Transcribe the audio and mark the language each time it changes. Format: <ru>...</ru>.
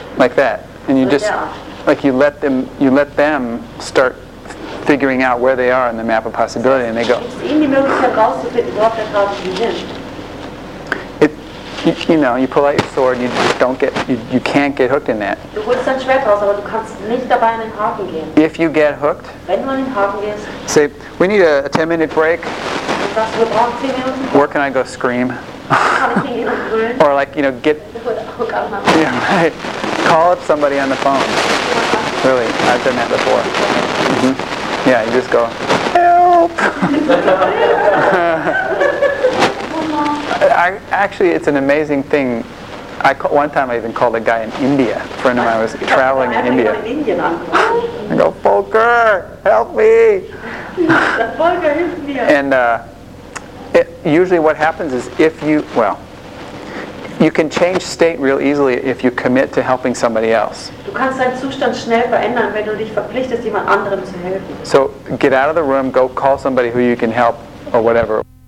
<en>Like that. And you just, like you let them start figuring out where they are in the map of possibility, and they go. You know, you pull out your sword and you just don't get, you can't get hooked in that.</en> <de>Du holst dein Schwert raus, aber du kannst nicht dabei in den Haken gehen.</de> <en>If you get hooked,</en> <de>wenn du in den Haken gehst,</de> <en>say, we need a 10-minute break.</en> <de>Sagst, wir brauchen 10 Minuten.</de> <en>Where can I go scream?</en> <de>Kann ich nicht gehen?</de> <en>Or like, you know, get, hook up my phone. Yeah, right. Call up somebody on the phone. Really, I've done that before. Mm-hmm. Yeah, you just go, help! Actually, it's an amazing thing. One time I even called a guy in India. A friend of mine was traveling in India. I go, Volker, help me. And usually what happens is if you, well, You can change state real easily if you commit to helping somebody else.</en> <de>Du kannst deinen Zustand schnell verändern, wenn du dich verpflichtest, jemand anderem zu helfen.</de> <en>So get out of the room, go call somebody who you can help or whatever.</en>